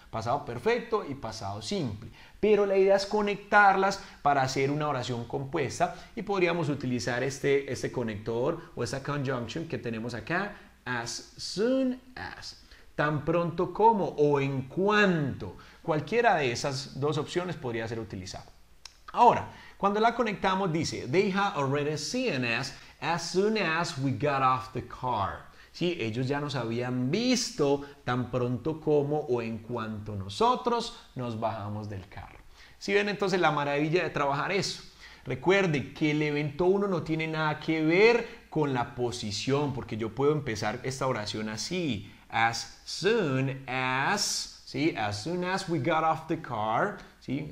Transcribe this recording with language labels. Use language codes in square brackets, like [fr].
[es] Pasado perfecto y pasado simple. Pero la idea es conectarlas para hacer una oración compuesta. Y podríamos utilizar este conector o esta conjunction que tenemos acá. [en] As soon as. [es] Tan pronto como o en cuanto. Cualquiera de esas dos opciones podría ser utilizada. Ahora, cuando la conectamos dice, [en] they have already seen us as soon as we got off the car. [es] Sí, ellos ya nos habían visto tan pronto como o en cuanto nosotros nos bajamos del carro. ¿Sí ven entonces la maravilla de trabajar eso? Recuerde que el evento 1 no tiene nada que ver con la posición, porque yo puedo empezar esta oración así, as soon as, ¿sí? [en] As soon as we got off the car, ¿sí?